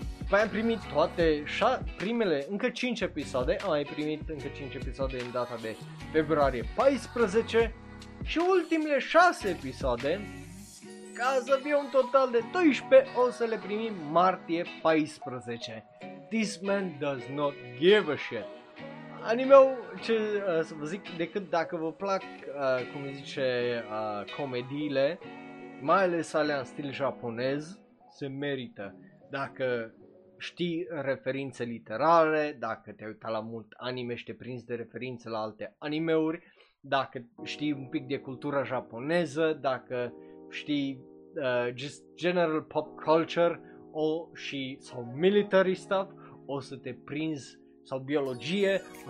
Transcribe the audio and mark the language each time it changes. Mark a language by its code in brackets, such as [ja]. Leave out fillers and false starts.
[ro] Mai am primit toate primele, încă 5 episoade, am mai primit încă 5 episoade în data de februarie 14 și ultimele 6 episoade, ca să fie un total de 12, o să le primim martie 14. [en] This man does not give a shit. [ro] Anime-ul, ce să vă zic, decât dacă vă plac, cum zice, comediile, mai ales alea în stil japonez, se merită. Dacă știi referințe literare, dacă te-ai uitat la mult anime și te prinzi de referințe la alte animeuri, dacă știi un pic de cultura japoneză, dacă știi [en] just general pop culture [ro] sau [en] military stuff, [ro] o să te prinzi, sau biologie,